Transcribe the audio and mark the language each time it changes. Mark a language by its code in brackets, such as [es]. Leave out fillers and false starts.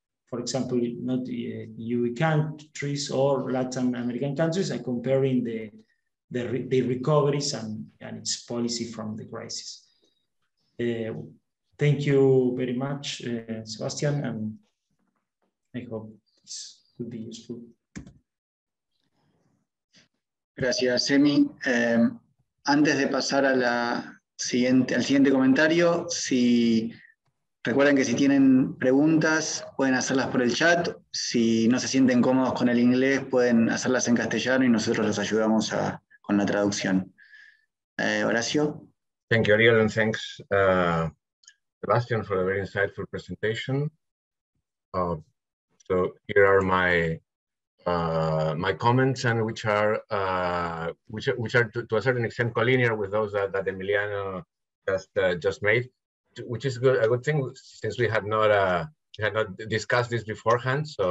[en] For example, not EU countries or Latin American countries, and comparing the recoveries and its policy from the crisis. Thank you very much, Sebastian, and I hope this could be useful. [es] Gracias, Emi. Antes de pasar a la siguiente, al siguiente comentario, si recuerden que si tienen preguntas, pueden hacerlas por el chat. Si no se sienten cómodos con el inglés, pueden hacerlas en castellano y nosotros los ayudamos con la traducción. Horacio. [en] Thank you, Ariel, and thanks, Sebastian, for a very insightful presentation. So here are my comments, and which are to a certain extent collinear with those that Emiliano just made, which is a good thing since we had not discussed this beforehand.